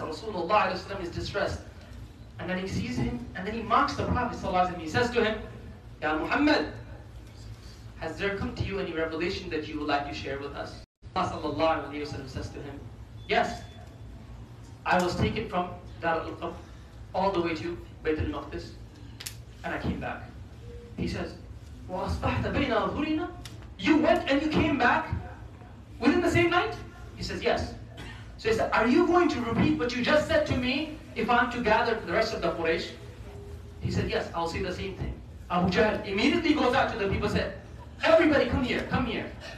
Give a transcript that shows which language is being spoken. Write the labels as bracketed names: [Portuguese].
[English] Rasulullah alayhi wa sallam is distressed. And then he sees him, and then he mocks the Prophet sallallahu alayhi wa sallam. He says to him, Ya Muhammad, has there come to you any revelation that you would like to share with us? Rasulullah sallallahu alayhi wa sallam says to him, yes, I was taken from Dar al-Qab all the way to Bayt al-Maqdis, and I came back. He says, [Arabic] وَأَصْبَحْتَ بَيْنَا أَظْهُرِينَا. [English] You went and you came back within the same night? He says, yes. So he said, are you going to repeat what you just said to me if I'm to gather for the rest of the Quraysh? He said, yes, I'll say the same thing. Abu Jahl immediately goes out to the people and said, everybody come here.